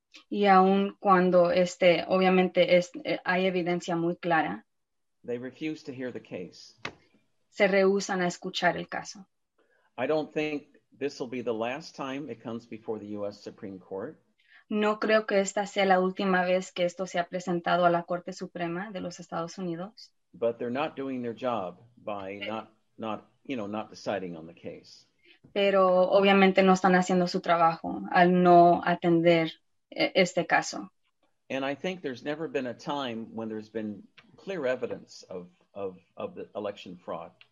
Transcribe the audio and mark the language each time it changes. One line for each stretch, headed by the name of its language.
Spanish: Y aun cuando obviamente hay evidencia muy clara.
English: They refuse to hear the case.
Spanish: Se rehusan a escuchar el caso.
English: I don't think this will be the last time it comes before the U.S. Supreme Court.
Spanish: No creo que esta sea la última vez que esto se ha presentado a la Corte Suprema de los Estados Unidos.
English: But they're not doing their job by not deciding on the case.
Spanish: pero obviamente no están haciendo su trabajo al no atender este caso.
English: And I think there's never been a time when there's been clear evidence of the election fraud.